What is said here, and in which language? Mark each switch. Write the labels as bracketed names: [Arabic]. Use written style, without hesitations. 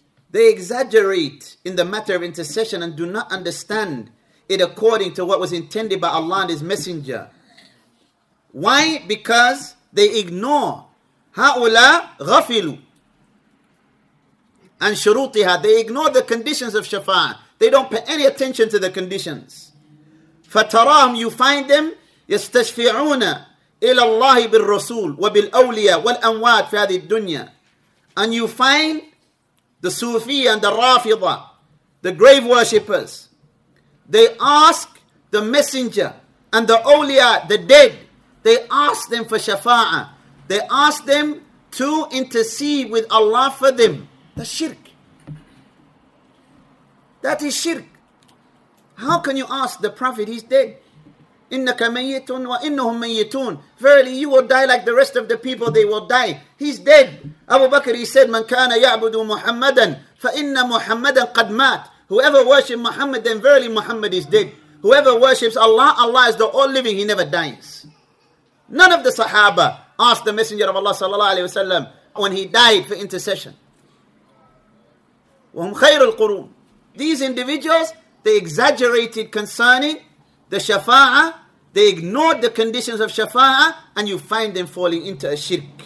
[English] They exaggerate in the matter of intercession and do not understand it according to what was intended by Allah and His Messenger. Why? Because they ignore [Arabic] هَؤُلَا غَفِلُوا [English] and شُرُوطِهَا. They ignore the conditions of Shafa'ah. They don't pay any attention to the conditions. [Arabic] فَتَرَاهُمْ. [English] You find them [Arabic] يَسْتَشْفِعُونَ إِلَى اللَّهِ بِالرَّسُولِ وَبِالْأَوْلِيَ وَالْأَنْوَاتِ فِي هَذِهِ الدُّنْيَا. [English] And you find the Sufi and the Rafida, the grave worshippers, they ask the Messenger and the awliya, the dead, they ask them for shafa'ah. They ask them to intercede with Allah for them. That's shirk. That is shirk. How can you ask the Prophet? He's dead. [Arabic] إِنَّكَ مَيِّتٌ وَإِنَّهُمْ مَيِّتُونَ. [English] Verily, you will die like the rest of the people. They will die. He's dead. [Arabic] Abu Bakr, [English] he said, [Arabic] مَنْ كَانَ يَعْبُدُ مُحَمَّدًا فَإِنَّ مُحَمَّدًا قَدْ مَاتْ. [English] Whoever worships Muhammad, then verily Muhammad is dead. Whoever worships Allah, Allah is the all-living, he never dies. None of the Sahaba asked the Messenger of Allah sallallahu alayhi wa sallam when he died for intercession. [Arabic] وَهُمْ خَيْرُ الْقُرُونَ. [English] These individuals, they exaggerated concerning the Shafa'ah, they ignored the conditions of Shafa'ah, and you find them falling into a shirk.